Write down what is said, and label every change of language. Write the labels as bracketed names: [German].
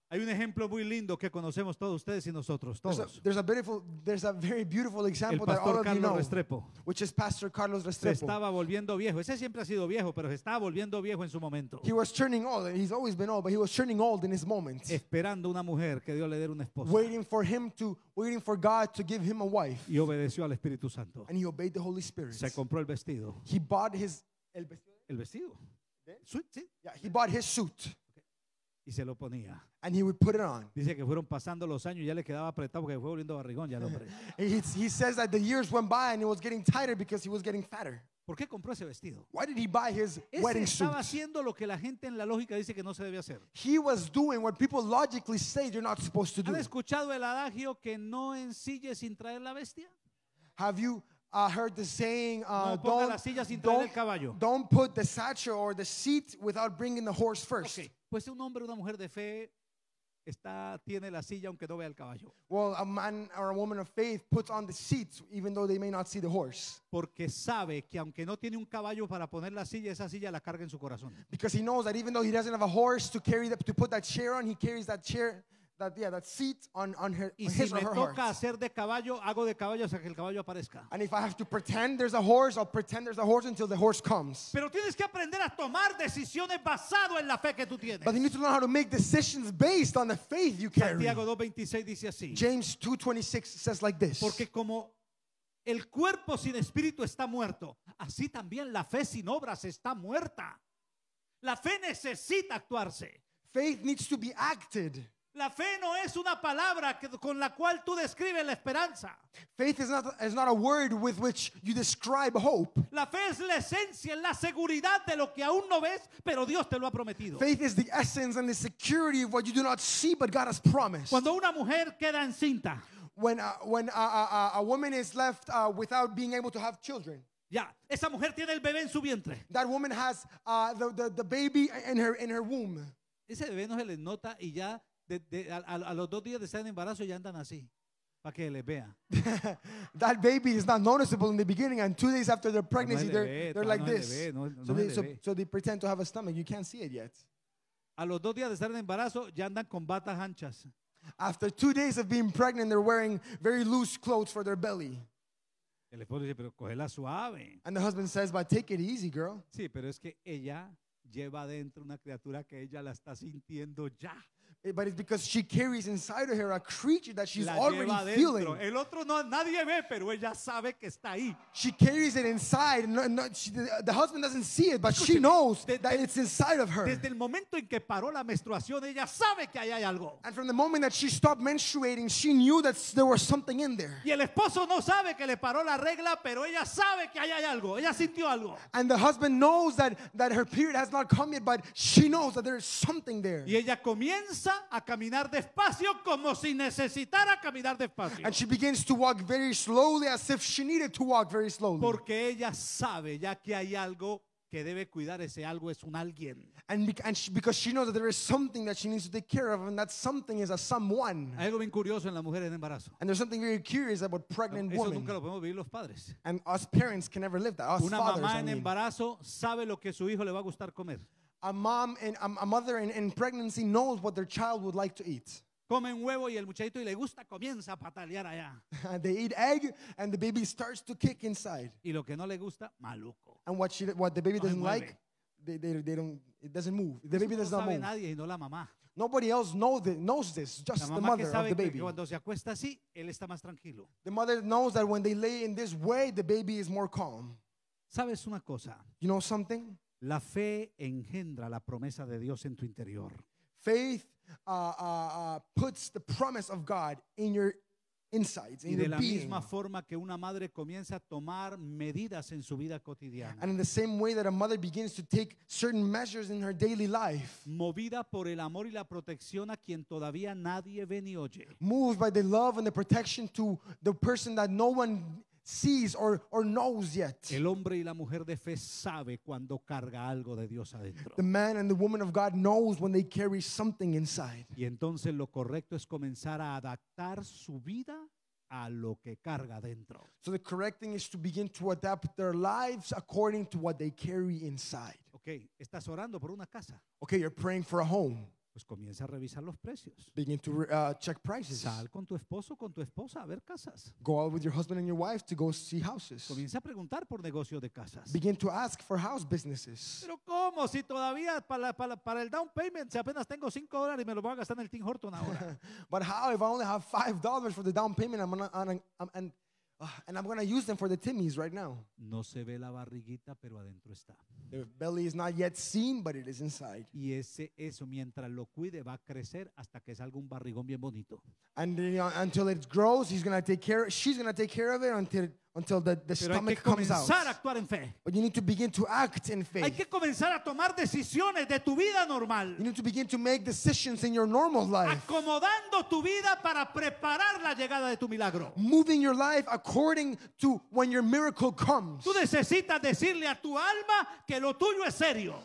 [Spanish] Hay un ejemplo muy lindo que conocemos todos ustedes y nosotros todos. [English] There's a very beautiful example that all of Carlos you know, Restrepo. Which is Pastor Carlos Restrepo. [Spanish] Se estaba volviendo viejo. Ese siempre ha sido viejo, pero se estaba volviendo viejo en su momento. [English] He was turning old. He's always been old, but he was turning old in his moment. [Spanish] Esperando una mujer que Dios le diera una esposa. [English] Waiting for God to give him a wife. [Spanish] Y obedeció al Espíritu Santo. [English] And he obeyed the Holy Spirit. [Spanish] Se compró el vestido. [English] He bought his [Spanish] el vestido. [English] Suit, [Spanish] sí. [English] Yeah, he bought his suit. [Spanish] Y se lo ponía. [English] And he would put it on. [Spanish] Dice que fueron pasando los años y ya le quedaba apretado porque fue volviendo barrigón ya el hombre. [English] He says that the years went by and it was getting tighter because he was getting fatter. [Spanish] ¿Por qué compró ese vestido? [English] Why did he buy his wedding suit? [Spanish] Estaba haciendo lo que la gente en la lógica dice que no se debe hacer. [English] He was doing what people logically say you're not supposed to do. [Spanish] ¿Has escuchado el adagio que no ensille sin traer la bestia? [English] Have you heard the saying, don't put the satchel or the seat without bringing the horse first. Okay. [Spanish] Pues un hombre o una mujer de fe tiene la silla aunque no vea el caballo. [English] Well, a man or a woman of faith puts on the seat even though they may not see the horse. [Spanish] Porque sabe que aunque no tiene un caballo para poner la silla, esa silla la carga en su corazón. Because he knows that even though he doesn't have a horse to carry to put that chair on, he carries that chair. [English] That seat on her, [Spanish] y [English] his [Spanish] si [English] or her [Spanish] me toca [English] heart. [Spanish] Hacer de caballo, hago de caballo hasta que el caballo aparezca. [English] And if I have to pretend there's a horse, I'll pretend there's a horse until the horse comes. [Spanish] Pero tienes que aprender a tomar decisiones basado en la fe que tú tienes. [English] But you need to learn how to make decisions based on the faith you carry. [Spanish] Santiago 2:26 dice así. [English] James 2:26 says like this. [Spanish] Porque como el cuerpo sin espíritu está muerto, así también la fe sin obras está muerta. La fe necesita actuarse. [English] Faith needs to be acted. [Spanish] La fe no es una palabra con la cual tú describes la esperanza. [English] Faith is not a word with which you describe hope. [Spanish] La fe es la esencia, es la seguridad de lo que aún no ves, pero Dios te lo ha prometido. [English] Faith is the essence and the security of what you do not see, but God has promised. [Spanish] Cuando una mujer queda encinta, [English] when a woman is left without being able to have children. [Spanish] Ya, esa mujer tiene el bebé en su vientre. [English] That woman has the baby in her womb. [Spanish] Ese bebé no se le nota y ya. A los dos días de estar en embarazo ya andan así, para que les vea. [English] That baby is not noticeable in the beginning, and 2 days after their pregnancy, they're like this. So they pretend to have a stomach. You can't see it yet. [Spanish] A los dos días de estar en embarazo ya andan con batas anchas. [English] After 2 days of being pregnant, they're wearing very loose clothes for their belly. [Spanish] El esposo dice, pero cógela suave. [English] And the husband says, but take it easy, girl. [Spanish] Sí, pero es que ella lleva dentro una criatura que ella la está sintiendo ya. [English] But it's because she carries inside of her a creature that she's already [Spanish] dentro. [English] Feeling. [Spanish] El otro no, nadie ve, pero ella sabe que está ahí. [English] She carries it inside. The husband doesn't see it, but she knows that it's inside of her. [Spanish] Desde el momento en que paró la menstruación, ella sabe que ahí hay algo. [English] And from the moment that she stopped menstruating, she knew that there was something in there. [Spanish] Y el esposo no sabe que le paró la regla, pero ella sabe que ahí hay algo. Ella sintió algo. [English] And the husband knows that her period has not come yet, but she knows that there is something there. [Spanish] Y ella comienza a caminar despacio como si necesitara caminar despacio. [English] And she begins to walk very slowly as if she needed to walk very slowly. [Spanish] Porque ella sabe ya que hay algo que debe cuidar, ese algo es un alguien. [English] Because she knows that there is something that she needs to take care of, and that something is a someone. [Spanish] Hay algo bien curioso en las mujeres en embarazo. [English] And there's something very curious about pregnant [Spanish] eso [English] women. [Spanish] Eso nunca lo podemos vivir los padres. [English] And us parents can never live that. Us [Spanish] una [English] fathers, [Spanish] mamá en embarazo sabe lo que su hijo le va a gustar comer. [English] A mother in pregnancy knows what their child would like to eat. [Spanish] Comen huevo y el muchachito y le gusta comienza a patalear allá. [English] They eat egg and the baby starts to kick inside. [Spanish] Y lo que no le gusta, maluco. [English] And what the baby no doesn't like, they don't, it doesn't move. The baby does not move. [Spanish] Nadie, y no la mamá. [English] Nobody else knows this, just the mother [Spanish] que sabe [English] of the baby. [Spanish] Que cuando se acuesta así, él está más tranquilo. [English] The mother knows that when they lay in this way, the baby is more calm. [Spanish] ¿Sabes una cosa? [English] You know something? [Spanish] La fe engendra la promesa de Dios en tu interior. [English] Faith puts the promise of God in your insights in [Spanish] y de la [English] being. [Spanish] Misma forma que una madre comienza a tomar medidas en su vida cotidiana. [English] And in the same way that a mother begins to take certain measures in her daily life. [Spanish] Movida por el amor y la protección a quien todavía nadie ve ni oye. [English] Moved by the love and the protection to the person that no one sees or knows yet. [Spanish] El hombre y la mujer de fe sabe cuando carga algo de Dios adentro. [English] The man and the woman of God knows when they carry something inside. [Spanish] Y entonces lo correcto es comenzar a adaptar su vida a lo que carga adentro. [English] So the correct thing is to begin to adapt their lives according to what they carry inside. [Spanish] Okay, estás orando por una casa. [English] Okay, you're praying for a home. [Spanish] Pues comienza a revisar los precios. [English] Begin to check prices. [Spanish] Sal con tu esposo, con tu esposa a ver casas. [English] Go out with your husband and your wife to go see houses. [Spanish] Comienza a preguntar por negocio de casas. [English] Begin to ask for house businesses. [Spanish] Pero cómo, si todavía para el down payment, si apenas tengo $5 y me lo voy a gastar en el Tim Horton ahora. [English] But how if I only have $5 for the down payment I'm gonna use them for the Timmys right now. [Spanish] No se ve la barriguita, pero adentro está. [English] The belly is not yet seen, but it is inside. [Spanish] Y ese eso mientras lo cuide va a crecer hasta que salga un barrigón bien bonito. [English] And you know, until it grows, she's gonna take care of it until the stomach comes out. [Spanish] Pero hay que comenzar a actuar en fe. [English] But you need to begin to act in faith. [Spanish] Hay que comenzar a tomar decisiones de tu vida normal. [English] You need to begin to make decisions in your normal life. [Spanish] Acomodando tu vida para preparar la llegada de tu milagro. [English] Moving your life according to when your miracle comes. [Spanish] Tú necesitas decirle a tu alma que lo tuyo es serio.